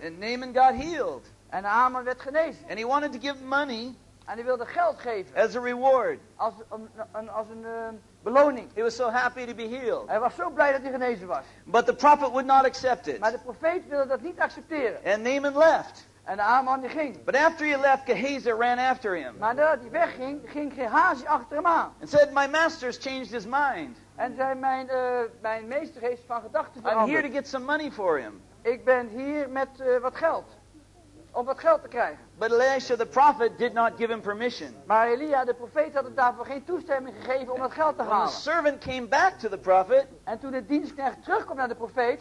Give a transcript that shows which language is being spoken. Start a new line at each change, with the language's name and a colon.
English: And Naaman got healed.
Dutch: En Naaman werd genezen.
English: And he wanted to give money.
Dutch: En hij wilde geld geven.
English: As a reward.
Dutch: Als een beloning.
English: He was so happy to be healed.
Dutch: Hij was zo blij dat hij genezen was.
English: But the prophet would not accept it.
Dutch: Maar de profeet wilde dat niet accepteren.
English: And Naaman left.
Dutch: En Naaman die ging.
English: But after he left, Gehazi ran after him.
Dutch: Maar nadat hij wegging, ging Gehazi achter hem aan.
English: And said, my master has changed his mind.
Dutch: En zei, mijn meester heeft van gedachten veranderd.
English: I'm here to get some money for him.
Dutch: Ik ben hier met wat geld. Om wat geld te krijgen.
English: But Elisha the prophet did not give him permission.
Dutch: Maar Elia de profeet had daarvoor geen toestemming gegeven om dat geld te halen.
English: When the servant came back to the prophet.
Dutch: En toen de dienstknecht terugkwam naar de profeet.